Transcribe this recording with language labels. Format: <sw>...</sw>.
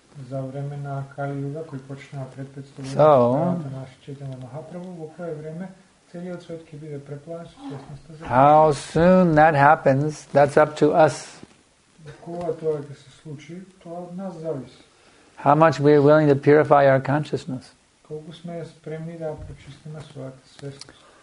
<mk>За време на Кали Юга, кој почнува пред 500 години на нашите Четене Махапрабу, во кое време целиот свет ќе биде преплавен со свесността за...</mk> <en>How soon that happens, that's up to us.</en> <mk>Кога тоа ќе се случи, тоа од нас зависи.</mk> <en>How much we are willing to purify our consciousness.</en> <mk>Колку сме спремни да прочистиме својата свесност.</mk>